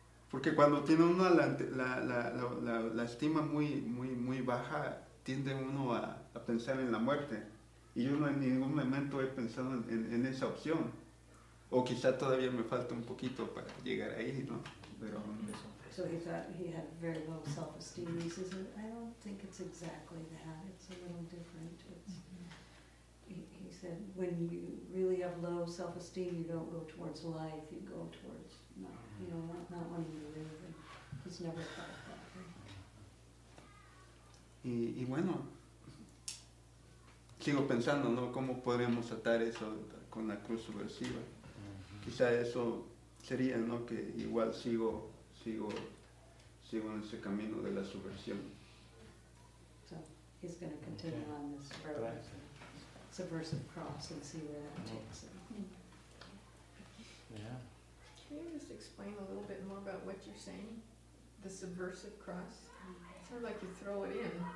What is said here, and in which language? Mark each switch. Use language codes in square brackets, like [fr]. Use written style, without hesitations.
[es] Porque cuando tiene uno la estima muy muy muy baja, tiende uno a pensar en la muerte. Y yo no en ningún momento he pensado en esa opción. O quizá todavía me falta un poquito para llegar ahí, ¿no? Pero [en] so he thought he had very low self-esteem. He says, I don't think it's exactly that. It's a little different. It's, mm-hmm. He said, when you really have low self-esteem, you don't go towards life. You go towards not wanting to live, and [es] Y bueno, sigo pensando, ¿no? ¿Cómo podríamos atar eso con la cruz subversiva? Mm-hmm. Quizá eso sería, ¿no? Que igual sigo en ese camino de la subversión. [en] So, he's going to continue on this subversive cross and see where that takes him. Can you just explain a little bit more about what you're saying? The subversive cross? It's sort of like you throw it in.